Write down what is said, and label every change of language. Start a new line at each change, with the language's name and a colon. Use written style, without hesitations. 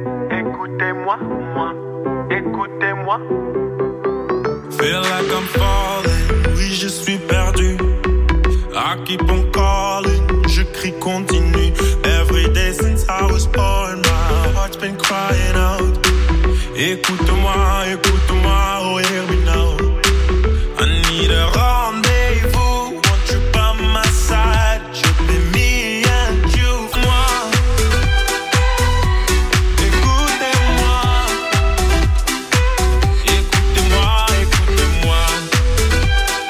French: écoutez-moi, moi, écoutez-moi.
English: Feel like I'm falling,
French: oui je suis perdu.
English: I keep on calling,
French: je crie continue.
English: Every day since I was born, my heart's been crying out.
French: Écoute-moi, écoute-moi,
English: oh here we know. I need a rendez-vous, won't you by my side? Just be me and you, moi.
French: Écoutez-moi, écoutez-moi, écoutez-moi. Écoutez-moi, écoutez-moi, écoutez-moi.